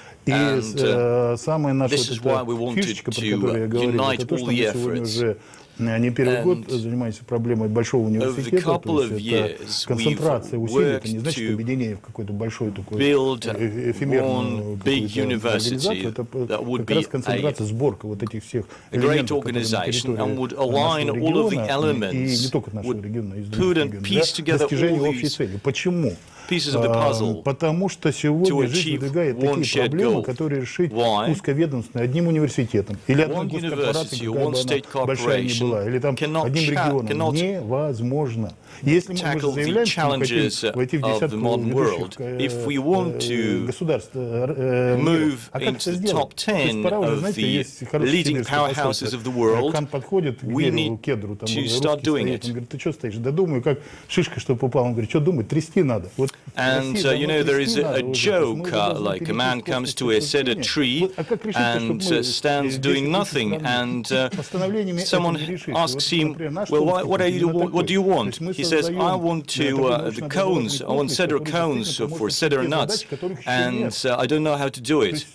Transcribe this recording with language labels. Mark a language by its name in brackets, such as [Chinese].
[English] And this is why we wanted to unite all the efforts. [Russian] Не первый год занимаемся проблемой большого университета, то есть это концентрация усилий, это не значит объединение в какую-то большую такую эфемерную организацию, это как раз концентрация, сборка вот этих всех элементов, которые на территории нашего региона, и не только нашего региона, из других регионов, да, достижение общей цели. Почему? [English] Pieces of the puzzle [Russian] потому что сегодня жизнь выдвигает такие проблемы, которые решить узковедонственно одним университетом или одной госкорпорацией, какая бы она большая ни была, или там одним регионом, невозможно. Если мы же заявляем, что мы хотим войти в десятку ведущих государств, а как это сделать? То есть пора уже, знаете, есть хорошие университеты, Кант подходит к дереву, к кедру, там русский стоит, он говорит, ты что стоишь? Да думаю, как шишка, чтобы упала, он говорит, что думать, трясти надо. [English] And you know, there is a joke, like a man comes to a cedar tree and stands doing nothing, and someone asks him, well, what do you want? He says, I want to the cones, I want cedar cones for cedar nuts, and I don't know how to do it.